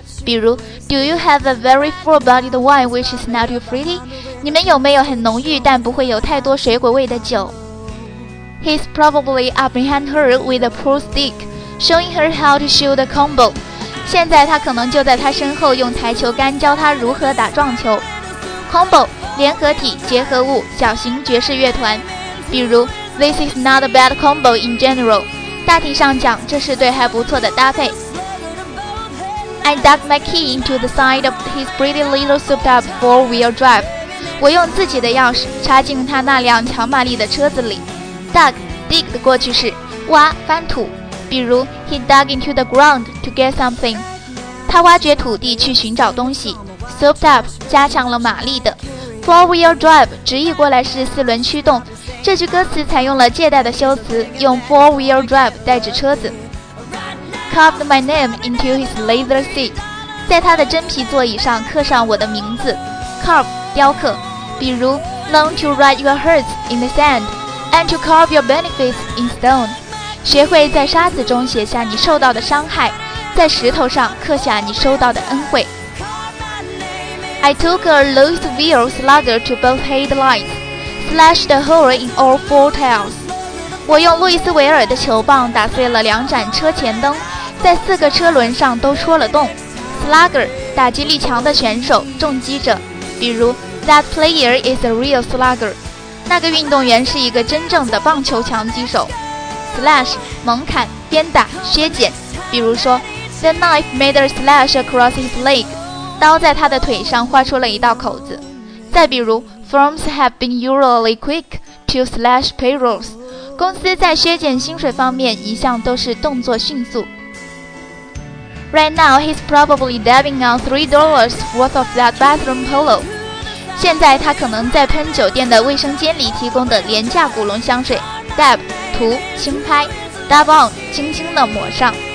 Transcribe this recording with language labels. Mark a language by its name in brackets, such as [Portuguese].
[Chinese] 比如 [English] Do you have a very full-bodied wine which is not your fruity? [Chinese] 你们有没有很浓郁但不会有太多水果味的酒？ [English] He's probably up behind her with a pool stick, showing her how to shoot a combo. [Chinese] 现在他可能就在他身后用台球杆教他如何打撞球。 Combo， 联合体，结合物，小型爵士乐团。比如 [English] This is not a bad combo in general. [Chinese] 大体上讲，这是对还不错的搭配。 [English] I dug my key into the side of his pretty little souped-up four-wheel drive. [Chinese] 我用自己的钥匙插进他那辆乔玛丽的车子里。 Dug, dig 的过去式，挖，翻土。比如 [English] ，He dug into the ground to get something. [Chinese] 他挖掘土地去寻找东西。 Souped up 加上了马力的。Four-wheel drive 直译过来是四轮驱动。这句歌词采用了借代的修辞，用 four-wheel drive 代指车子。 [English] Carved my name into his leather seat， [Chinese] 在他的真皮座椅上刻上我的名字。 Carve 雕刻，比如 [English] Learn to write your hurts in the sand and to carve your benefits in stone， [Chinese] 学会在沙子中写下你受到的伤害，在石头上刻下你收到的恩惠。 [English] I took a Louisville slugger to both headlights, slashed a hole in all four tails。 [Chinese] 我用路易斯维尔的球棒打碎了两盏车前灯，在四个车轮上都戳了洞。 Slugger， 打击力强的选手，重击者。比如 ， [English] That player is a real slugger。 [Chinese] 那个运动员是一个真正的棒球强击手。 Slash， 猛砍、鞭打、削减。比如说 ， [English] The knife made a slash across his leg。 [Chinese] 刀在他的腿上划出了一道口子。再比如 ， [English] Firms have been usually quick to slash payrolls。 [Chinese] 公司在削减薪水方面一向都是动作迅速。 [English] Right now, he's probably dabbing on $3 worth of that bathroom polo. [Chinese] 现在他可能在喷酒店的卫生间里提供的廉价古龙香水。 Dab, 涂，轻拍。Dab on, 轻轻地抹上。